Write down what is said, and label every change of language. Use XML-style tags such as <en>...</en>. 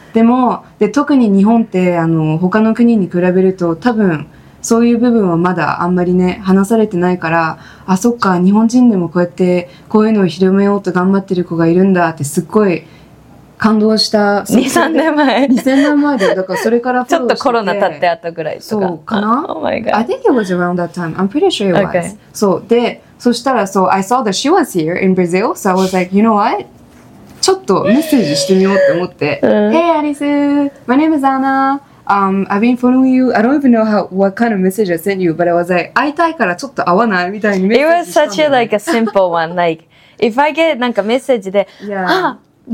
<ja>でも、で、特に日本ってあの他の国に比べると多分そういう部分はまだあんまりね話されてないから、あ、そっか、日本人でもこうやってこういうのを広めようと頑張ってる子がいるんだってすっごい感動した。 2、3年前。 2000年前で、だからそれからちょっとコロナ経ってあったぐらいとか。そうかな。</ja> <en>Oh my god. I think it was around that time. I'm pretty sure it was.、Okay.</en> <ja>そう。で、そしたら、そう、</ja> <en>I saw that she was here in Brazil, so I was like, you know what?</en> <ja>ちょっとメッセージしてみようって思って。</ja> <en>Hey, Alice! My name is Anna. I've been following you. I don't even know how, what kind of message I sent you, but I was like,</en> <ja>会いたいからちょっと会わないみたいにメッセージしたの。</ja> <en>It was such a, like, a simple one. Like, if I get,</en> <ja>なんかメッセージで、あ、</ja> <en>yeah.</en>